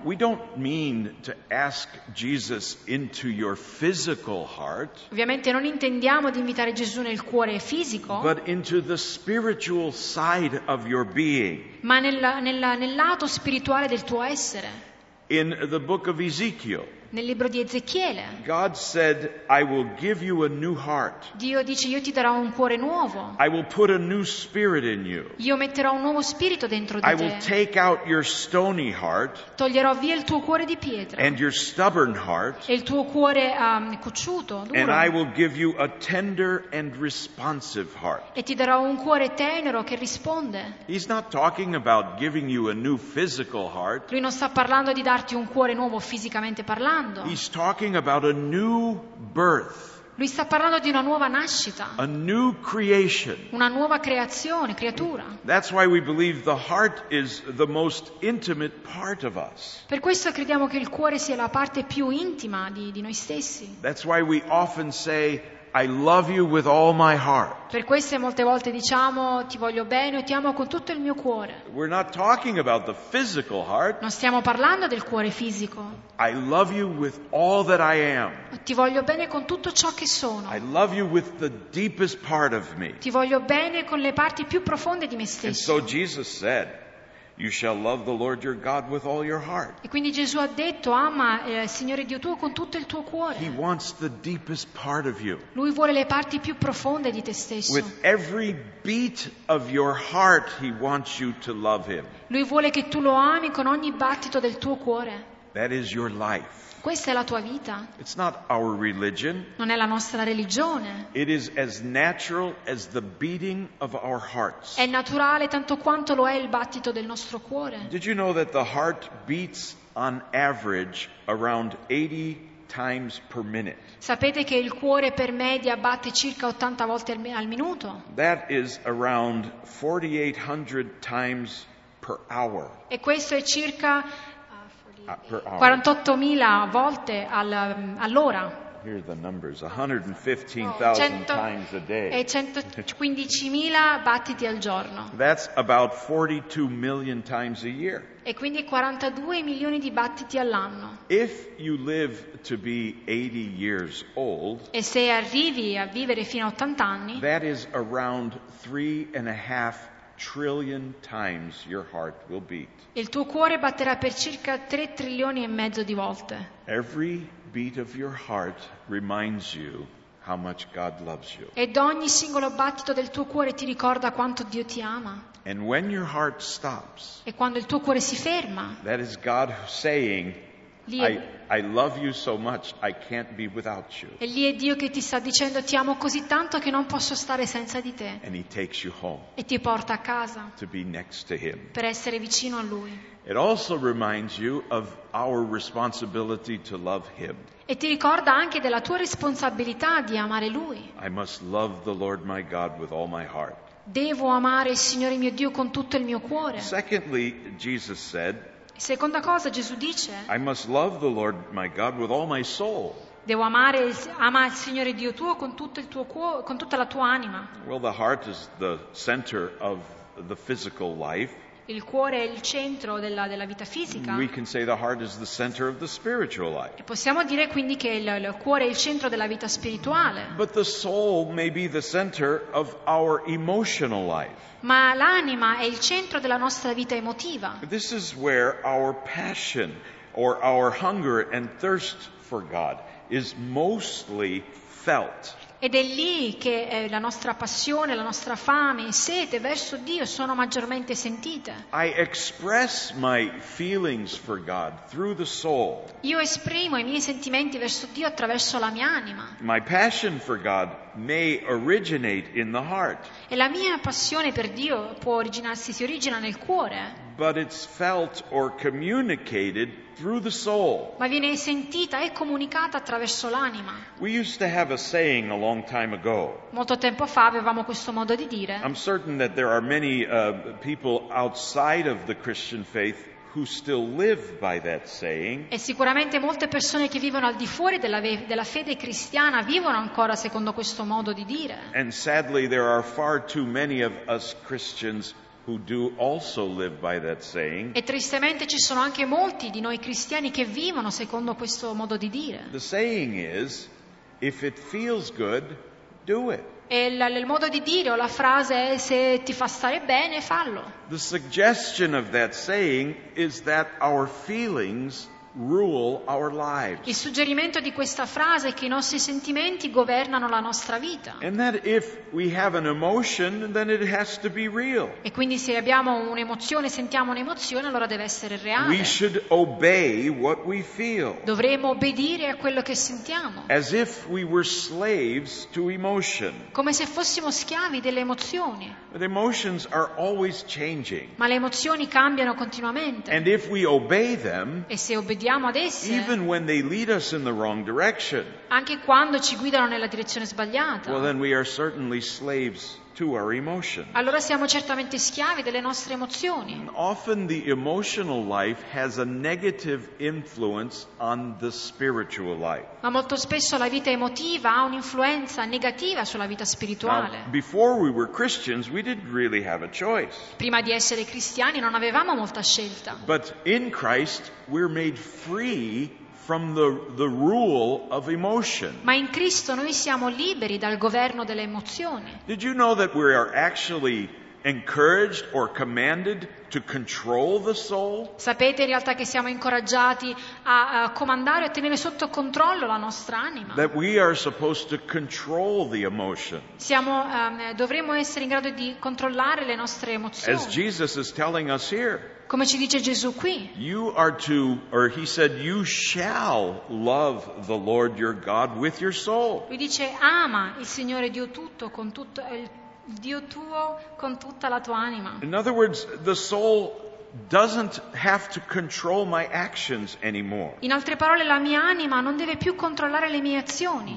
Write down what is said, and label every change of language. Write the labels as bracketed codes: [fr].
[en] We don't mean to ask Jesus into your physical heart. [it] Ovviamente non intendiamo di invitare Gesù nel cuore fisico. [en] But into the spiritual side of your being. [it] Ma nel lato spirituale del tuo essere. [en] In the book of Ezekiel, [it] nel libro di Ezechiele, [en] God said, I will give you a new heart. [it] Dio dice, io ti darò un cuore nuovo. [en] I will put a new spirit in you. [it] Io metterò un nuovo spirito dentro di te. [en] I will take out your stony heart. [it] Toglierò via il tuo cuore di pietra. [en] And your stubborn heart. [it] E il tuo cuore cocciuto, duro. [en] And I will give you a tender and responsive heart. [it] E ti darò un cuore tenero che risponde. [en] He's not talking about giving you a new physical heart. [it] Lui non sta parlando di darti un cuore nuovo fisicamente parlando. [en] He's talking about a new birth. [it] Lui sta parlando di una nuova nascita. [en] A new creation. [it] Una nuova creazione, creatura. [en] That's why we believe the heart is the most intimate part of us. [it] Per questo crediamo che il cuore sia la parte più intima di noi stessi. [en] That's why we often say I love you with all my heart. [it] Per questo molte volte diciamo ti voglio bene o ti amo con tutto il mio cuore. [en] We're not talking about the physical heart. [it] Non stiamo parlando del cuore fisico. [en] I love you with all that I am. [it] Ti voglio bene con tutto ciò che sono. [en] I love you with the deepest part of me. [it] Ti voglio bene con le parti più profonde di me stesso. [en] And so Jesus said, "You shall love the Lord your God with all your heart." [it] E quindi Gesù ha detto, ama il Signore Dio tuo con tutto il tuo cuore. [en] He wants the deepest part of you. [it] Lui vuole le parti più profonde di te stesso. [en] With every beat of your heart, he wants you to love him. [it] Lui vuole che tu lo ami con ogni battito del tuo cuore. [en] That is your life. [it] Questa è la tua vita. [en] It's not our religion. [it] Non è la nostra religione. [en] It is as natural as the beating of our hearts. [it] È naturale tanto quanto lo è il battito del nostro cuore. [en] Did you know that the heart beats on average around 80 times per minute. [it] Sapete che il cuore per media batte circa 80 volte al minuto? [en] That is around 4800 times per hour. [it] E questo è circa 48.000 volte all'ora. [en] Here are the numbers. 115,000 times a day. [it] E 115.000 battiti al giorno. [en] That's about 42 million times a year. [it] E quindi 42 milioni di battiti all'anno. [en] If you live to be 80 years old, [it] e se arrivi a vivere fino a 80 anni, [en] that is around 3.5 trillion times your heart will beat. [it] Il tuo cuore batterà per circa 3 trilioni e mezzo di volte. [en] Every beat of your heart reminds you how much God loves you. [it] Ed ogni singolo battito del tuo cuore ti ricorda quanto Dio ti ama. [en] And when your heart stops, [it] e quando il tuo cuore si ferma, [en] that is God saying, I love you so much I can't be without you. [it] E lì è Dio che ti sta dicendo ti amo così tanto che non posso stare senza di te. [en] And he takes you home. [it] E ti porta a casa. [en] To be next to him. [it] Per essere vicino a lui. [en] It also reminds you of our responsibility to love him. [it] E ti ricorda anche della tua responsabilità di amare lui. [en] I must love the Lord my God with all my heart. [it] Devo amare il Signore mio Dio con tutto il mio cuore. [en] Secondly, Jesus said, [it] seconda cosa Gesù dice, [en] I must love the Lord my God with all my soul. [it] Devo amare ama il Signore Dio tuo con tutto il tuo cuore, con tutta la tua anima. [en] Well, the heart is the center of the physical life. [it] Il cuore è il centro della vita fisica. [en] We can say the heart is the center of the spiritual life. [it] E possiamo dire quindi che il cuore è il centro della vita spirituale. [en] But the soul may be the center of our emotional life. [it] Ma l'anima è il centro della nostra vita emotiva. [en] This is where our passion or our hunger and thirst for God is mostly felt. [it] Ed è lì che la nostra passione, la nostra fame e sete verso Dio sono maggiormente sentite. [en] I express my feelings for God through the soul. [it] Io esprimo i miei sentimenti verso Dio attraverso la mia anima. [en] My passion for God may originate in the heart. [it] E la mia passione per Dio può originarsi, si origina nel cuore. [en] But it's felt or communicated through the soul. [it] Ma viene sentita e comunicata attraverso l'anima. [en] We used to have a saying a long time ago. [it] Molto tempo fa avevamo questo modo di dire. [en] I'm certain that there are many people outside of the Christian faith who still live by that saying. [it] E sicuramente molte persone che vivono al di fuori della fede cristiana vivono ancora secondo questo modo di dire. [en] And sadly, there are far too many of us Christians who do also live by that saying. [it] E tristemente ci sono anche molti di noi cristiani che vivono secondo questo modo di dire. [en] The saying is, if it feels good, do it. [it] E il modo di dire o la frase è, se ti fa stare bene, fallo. [en] The suggestion of that saying is that our feelings rule our lives. [it] Il suggerimento di questa frase è che i nostri sentimenti governano la nostra vita. [en] And that if we have an emotion, then it has to be real. [it] E quindi se abbiamo un'emozione, sentiamo un'emozione, allora deve essere reale. [en] We should obey what we feel. [it] Dovremmo obbedire a quello che sentiamo. [en] As if we were slaves to emotion. [it] Come se fossimo schiavi delle emozioni. [en] But emotions are always changing. [it] Ma le emozioni cambiano continuamente. [en] And if we obey them, [it] e se obbediamo ad esse, [en] even when they lead us in the wrong direction, [it] anche quando ci guidano nella direzione sbagliata, [en] well, then we are certainly slaves to our emotions. [it] Allora siamo certamente schiavi delle nostre emozioni. [en] Often the emotional life has a negative influence on the spiritual life. [it] Ma molto spesso la vita emotiva ha un'influenza negativa sulla vita spirituale. [en] Now, before we were Christians, we didn't really have a choice. [it] Prima di essere cristiani non avevamo molta scelta. [en] But in Christ we're made free from the rule of emotion. [it] Ma in Cristo noi siamo liberi dal governo delle emozioni. [en] Did you know that we are actually encouraged or commanded to control the soul? [it] Sapete in realtà che siamo incoraggiati a comandare e tenere sotto controllo la nostra anima? [en] That we are supposed to control the emotion. [it] Siamo dovremmo essere in grado di controllare le nostre emozioni. [en] As Jesus is telling us here. [it] Come ci dice Gesù qui? [en] You are to, or he said, you shall love the Lord your God with your soul. [it] Lui dice ama il Signore Dio tutto con tutto il Dio tuo con tutta la tua anima. [en] In other words, the soul doesn't have to control my actions anymore. [it] In altre parole, la mia anima non deve più controllare le mie azioni.